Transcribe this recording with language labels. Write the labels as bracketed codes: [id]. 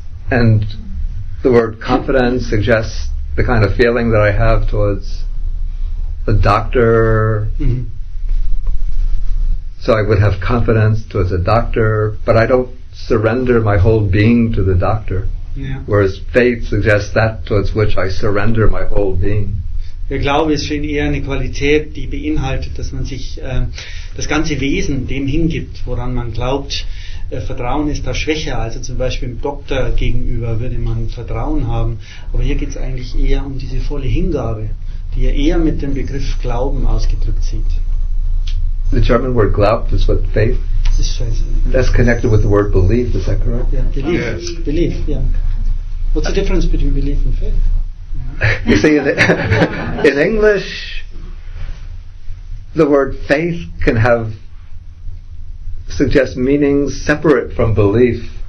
[en] And the word confidence suggests the kind of feeling that I have towards a doctor. Mm-hmm. So I would have confidence towards a doctor, but I don't surrender my whole being to the doctor. Yeah. Whereas faith suggests that towards which I surrender my whole being. [de] Der Glaube ist für ihn eher eine Qualität, die beinhaltet, dass man sich das ganze Wesen dem hingibt, woran man glaubt. Vertrauen ist da schwächer. Also zum Beispiel dem Doktor gegenüber würde man Vertrauen haben. Aber hier geht es eigentlich eher um diese volle Hingabe, die ja eher mit dem Begriff Glauben ausgedrückt sieht. [en] The German word glaubt is what faith. [de] Das ist scheiße. [en] That's connected with the word belief, is that correct? Yeah, belief. Yes. Belief, yeah. What's the difference between belief and faith? You see, in English, the word faith can suggest meanings separate from belief.